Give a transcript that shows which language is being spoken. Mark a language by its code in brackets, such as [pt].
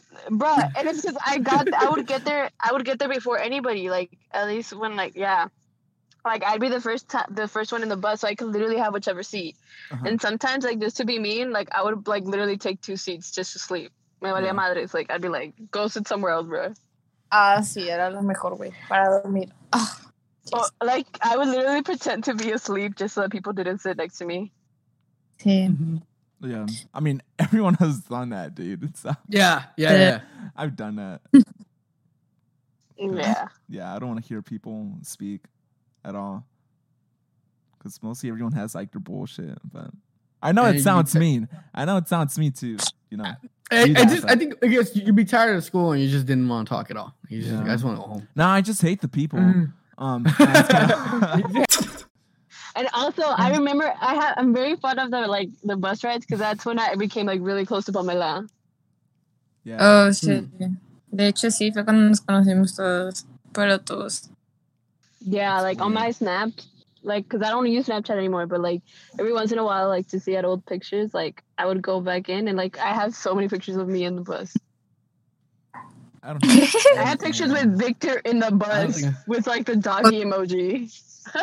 [en] Bro, and it's because I would get there before anybody, like, at least when, like, yeah. Like, I'd be the first one in the bus, so I could literally have whichever seat. Uh-huh. And sometimes, like, just to be mean, like, I would, like, literally take two seats just to sleep. Me valía madre. It's like, I'd be like, go sit somewhere else, bro. [es] Ah, sí, era lo mejor, güey, para dormir. [en] Well, like, I would literally pretend to be asleep just so that people didn't sit next to me. [es] Sí. Mm-hmm. [en] Yeah, I mean, everyone has done that, dude. So. Yeah. I've done that. Yeah. Yeah, I don't want to hear people speak at all. Because mostly everyone has, like, their bullshit, but... I know it sounds mean. I know it sounds mean too. You know. I think I guess you'd be tired of school and you just didn't want to talk at all. I just want to go home. No, I just hate the people. And also, I remember I'm very fond of the bus rides because that's when I became like really close to Pamela. Yeah. Oh shit. [es] De hecho, sí fue cuando nos conocimos todos. Pero todos. [en] Yeah, that's like weird. On my snap. Like, because I don't use Snapchat anymore, but, like, every once in a while, like, to see at old pictures, like, I would go back in, and, like, I have so many pictures of me in the bus. I don't know. I have pictures with Victor in the bus with, like, the doggy emoji.